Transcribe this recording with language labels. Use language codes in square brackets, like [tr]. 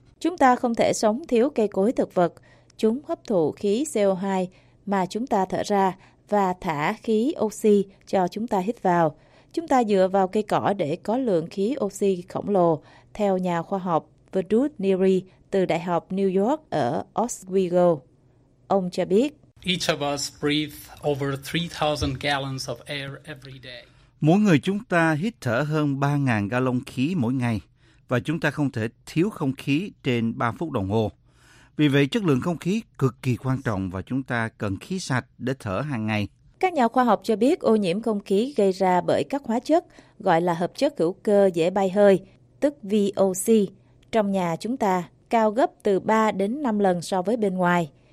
[vi] Chúng ta không thể sống thiếu cây cối thực vật. Chúng hấp thụ khí CO2 mà chúng ta thở ra và thả khí oxy cho chúng ta hít vào. Chúng ta dựa vào cây cỏ để có lượng khí oxy khổng lồ, theo nhà khoa học Vedut Neary từ Đại học New York ở Oswego. Ông cho biết, [en] each of us breathe over 3,000 gallons of air every day. [vi] Mỗi người chúng ta hít thở hơn 3.000 gallon khí mỗi ngày, và chúng ta không thể thiếu không khí trên 3 phút đồng hồ. Vì vậy, chất lượng không khí cực kỳ quan trọng và chúng ta cần khí sạch để thở hàng ngày. Các nhà khoa học cho biết ô nhiễm không khí gây ra bởi các hóa chất, gọi là hợp chất hữu cơ dễ bay hơi, tức VOC, trong nhà chúng ta, cao gấp từ 3 đến 5 lần so với bên ngoài.